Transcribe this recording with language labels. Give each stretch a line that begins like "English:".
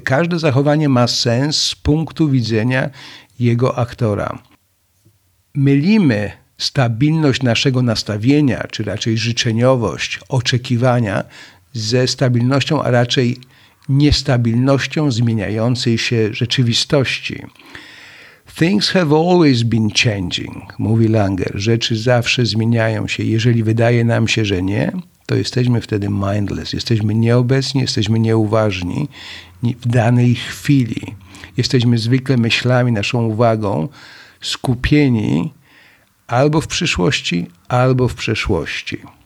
Polish: Każde zachowanie ma sens z punktu widzenia jego aktora. Mylimy stabilność naszego nastawienia, czy raczej życzeniowość, oczekiwania ze stabilnością, a raczej niestabilnością zmieniającej się rzeczywistości.
English: Things have always been changing,
Polish: mówi Langer. Rzeczy zawsze zmieniają się. Jeżeli wydaje nam się, że nie, to jesteśmy wtedy mindless. Jesteśmy nieobecni, jesteśmy nieuważni w danej chwili. Jesteśmy zwykle myślami, naszą uwagą skupieni albo w przyszłości, albo w przeszłości.